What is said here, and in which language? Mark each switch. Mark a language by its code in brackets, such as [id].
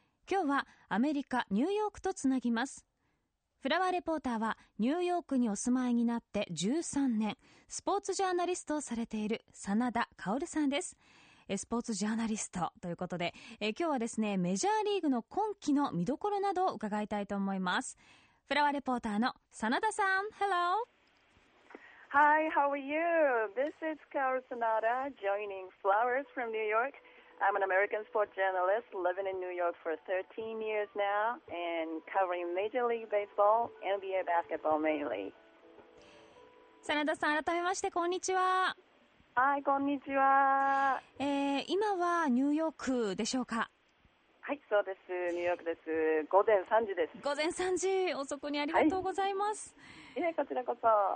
[ja] 今日はアメリカニューヨークとつなぎます。フラワーレポーターはニューヨークにお住まいになって13年、スポーツジャーナリストをされている真田カオルさんです。スポーツジャーナリストということで、今日はですね、メジャーリーグの今季の見どころなどを伺いたいと思います。フラワーレポーターの真田さん、 [en] Hello。 Hi, how are you? This is Carol Sonata joining Flowers from New York. I'm an American sports journalist living in New York for 13 years now and covering Major League Baseball, NBA basketball mainly. [ja] 真田さん、改めましてこんにちは。はい、こんにちは。今はニューヨークでしょうか？はい、そうです。ニューヨークです。午前3時です。午前3時、遅くにありがとうございます。はい、こちらこそ。